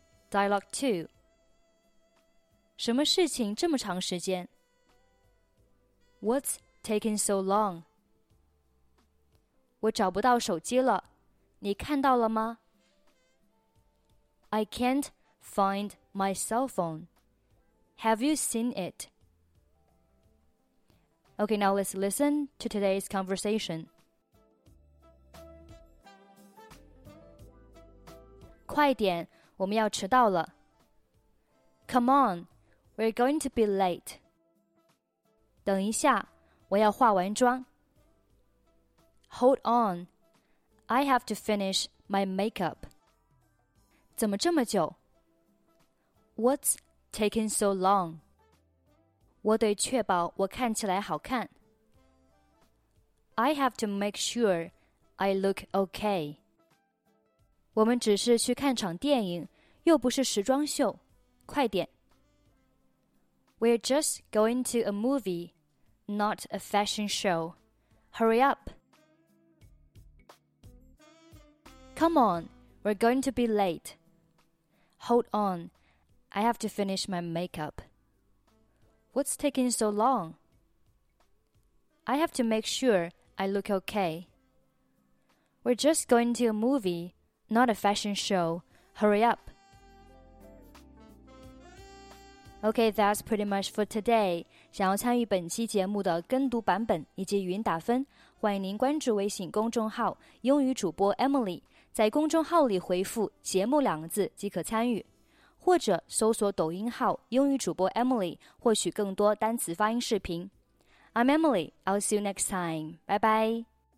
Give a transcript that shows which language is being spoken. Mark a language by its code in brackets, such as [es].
[en] Dialogue 2. [zh] 什么事情这么长时间？ [en] What's taking so long? [zh] 我找不到手机了，你看到了吗？ [en] I can't find my cell phone. Have you seen it? Okay, now let's listen to today's conversation. [zh] 快点，我们要迟到了。 [en] Come on, we're going to be late. [zh] 等一下，我要化完妆。 [en] Hold on, I have to finish my makeup. [zh] 怎么这么久? [en] What's taking so long? [zh] 我得确保我看起来好看。 [en] I have to make sure I look okay. [zh] 我们只是去看场电影,又不是时装秀。快点。 [en] We're just going to a movie. not a fashion show. Hurry up. Come on, we're going to be late. Hold on, I have to finish my makeup. What's taking so long? I have to make sure I look okay. We're just going to a movie, not a fashion show. Hurry up. Okay, that's pretty much for today. [zh] 想要参与本期节目的跟读版本以及语音打分，欢迎您关注微信公众号英语主播 Emily， 在公众号里回复节目两个字即可参与，或者搜索抖音号英语主播 Emily 获取更多单词发音视频。 [en] I'm Emily, I'll see you next time. Bye bye.